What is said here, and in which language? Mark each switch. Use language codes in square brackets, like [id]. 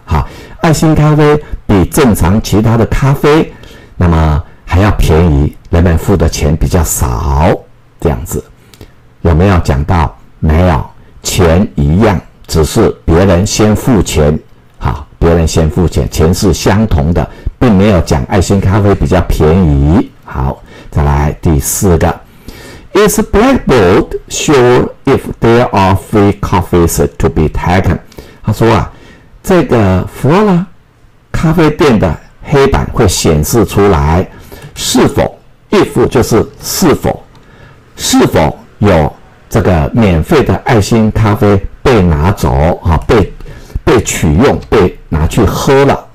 [zh] 好，爱心咖啡比正常其他的咖啡那么还要便宜，人们付的钱比较少，这样子。有没有讲到？没有，钱一样，只是别人先付钱。好，别人先付钱，钱是相同的，并没有讲爱心咖啡比较便宜。好，再来第四个。 [en] Is Blackboard sure if there are free coffees to be taken? [zh] 他说啊，这个佛拉咖啡店的黑板会显示出来，是否 if 就是是否有这个免费的爱心咖啡被拿走啊，被取用，被拿去喝了。